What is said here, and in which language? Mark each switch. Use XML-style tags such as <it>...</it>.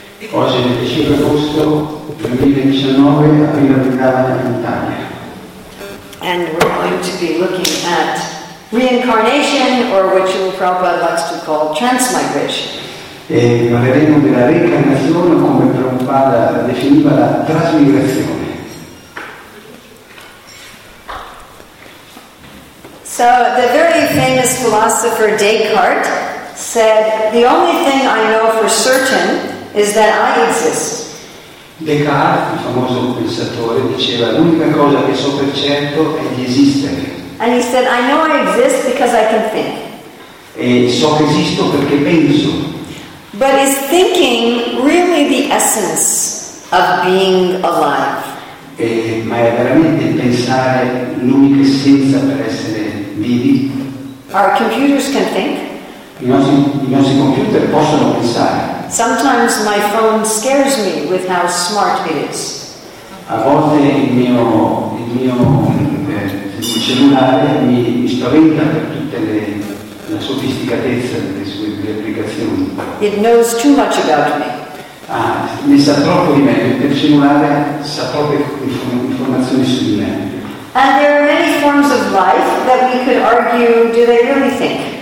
<it>Oggi è il 25 agosto 2019 a Villa Vrindavan in Italia.</it> <en>And we're going to be looking at reincarnation, or what Srila Prabhupada likes to call transmigration.</en> <it>E parleremo della reincarnazione, come Prabhupada definiva la trasmigrazione.</it> <en>So, the very famous philosopher Descartes said, "The only thing I know for certain is that I exist."</en> <it>Descartes, il famoso pensatore, diceva, "L'unica cosa che so per certo è di esistere."</it> <en>And he said, "I know I exist because I can think."</en> <it>E so che esisto perché penso.</it> <en>But is thinking really the essence of being alive?</en> <it>Ma è veramente pensare l'unica essenza per essere vivi?</it> <en>Our computers can think.</en> <it>I nostri computer possono pensare.</it> <en>Sometimes my phone scares me with how smart it is.</en> <it>A volte il cellulare mi spaventa per tutta la sofisticatezza delle sue applicazioni.</it> <en>It knows too much about me.</en> <it>Ah, ne sa troppo di me. Il cellulare sa troppe informazioni su di me.</it> <en>And there are many forms of life that we could argue, do they really think?</en>